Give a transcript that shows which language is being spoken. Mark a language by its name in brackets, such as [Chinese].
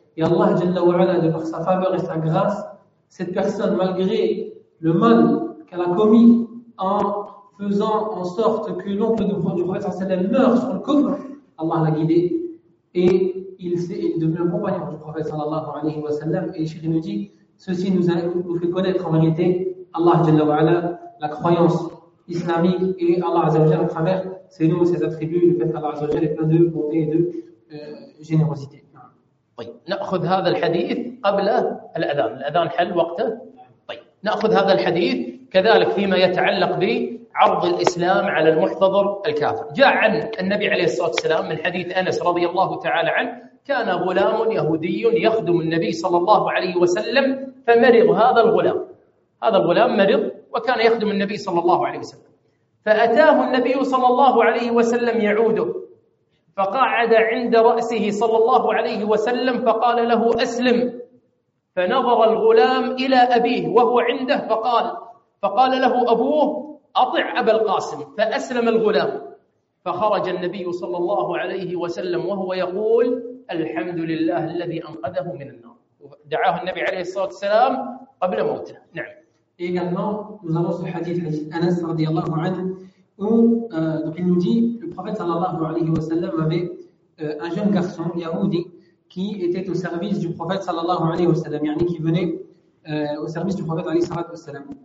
[French] Et Allah Jalla wa Ala, de par sa faveur et sa grâce, cette personne, malgré le mal qu'elle a commis en faisant en sorte que l'oncle du prophète sallam meurt sur le coup, Allah l'a guidé et il est devenu un compagnon du prophète sallallahu alayhi wa sallam. Et Cheikh nous dit, ceci nous fait connaître en vérité Allah jalla wa ala, la croyance islamique et Allah azza wa jalla à travers ses noms, ses attributs, le fait qu'Allah azza wa jalla est plein de bonté et de générosité. Oui, [Arabic] نأخذ هذا الحديث قبل الأذان. الأذان حل وقته. طيب نأخذ هذا الحديث كذلك فيما يتعلق به عرض الإسلام على المحتضر الكافر. جاء عن النبي عليه الصلاة والسلام من حديث أنس رضي الله تعالى عنه: كان غلام يهودي يخدم النبي صلى الله عليه وسلم، فمرض هذا الغلام، هذا الغلام مرض وكان يخدم النبي صلى الله عليه وسلم، فأتاه النبي صلى الله عليه وسلم يعوده، فقعد عند رأسه صلى الله عليه وسلم فقال له: أسلم. فنظر الغلام إلى أبيه وهو عنده فقال له أبوه: أطع أبا القاسم. فأسلم الغلام، فخرج النبي صلى الله عليه وسلم وهو يقول: الحمد لله الذي أنقذه من النار. دعاه النبي عليه الصلاة والسلام قبل موته. نعم. [French] Également, nous avons ce hadith d'Anas radiallahu anhu, où donc il nous dit le prophète sallallahu alayhi wa sallam avait un jeune garçon yahoudi qui était au service du prophète sallallahu alayhi wa sallam, yani qui venait au service du prophète alayhi sallallahu alayhi wa sallam.